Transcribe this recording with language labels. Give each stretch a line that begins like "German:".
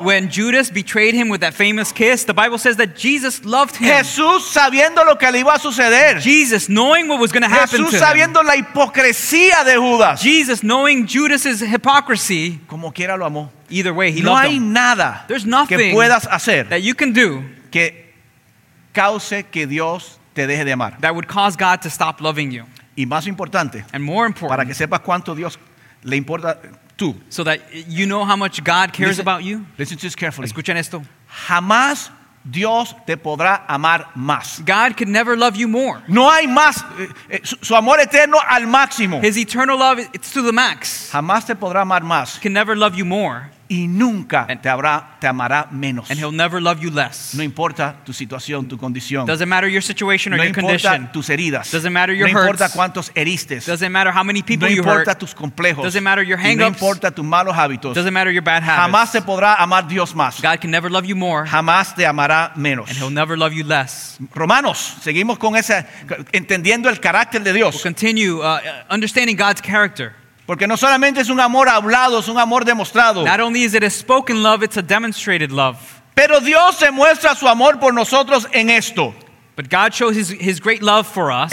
English: When Judas betrayed him with that famous kiss, the Bible says that Jesus loved him.
Spanish: Jesús sabiendo lo que le iba a suceder.
English: Jesus knowing what was going to happen to him.
Spanish: Jesús sabiendo la hipocresía de Judas.
English: Jesus knowing Judas's hypocrisy.
Spanish: Como quiera lo amó.
English: Either way, he
Spanish: no
English: loved him.
Spanish: No hay nada.
English: There's nothing
Spanish: que puedas hacer
English: that you can do
Spanish: que cause que Dios te deje de amar.
English: That would cause God to stop loving you.
Spanish: Y más importante,
English: and more important,
Spanish: para que sepas cuánto Dios le importa.
English: So that you know how much God cares listen, about you. Listen to this carefully.
Spanish: Escuchen esto. Jamás Dios te podrá amar más.
English: God can never love you more.
Spanish: No hay más. Su amor eterno al máximo.
English: His eternal love, it's to the max.
Spanish: Jamás te podrá amar más.
English: Can never love you more.
Spanish: Y nunca te amará menos.
English: And he'll never love you less.
Spanish: No importa tu situación, tu condición.
English: Doesn't matter your situation or
Spanish: no
English: your condition.
Spanish: No importa tus heridas.
English: Doesn't matter your
Spanish: no
English: hurts.
Spanish: No importa cuántos heristes.
English: Doesn't matter how many people
Spanish: no
English: you hurt.
Spanish: No importa tus complejos.
English: Doesn't matter your hang-ups.
Spanish: No importa tus malos hábitos.
English: Doesn't matter your bad habits.
Spanish: Jamás te podrá amar Dios más.
English: God can never love you more.
Spanish: Jamás te amará menos.
English: And he'll never love you less.
Spanish: Romanos, seguimos con esa entendiendo el carácter de Dios.
English: We'll continue understanding God's character.
Spanish: Porque no solamente es un amor hablado, es un amor demostrado.
English: Not only is it a spoken love, it's a demonstrated love.
Spanish: Pero Dios se muestra su amor por nosotros en esto.
English: But God shows his great love for us.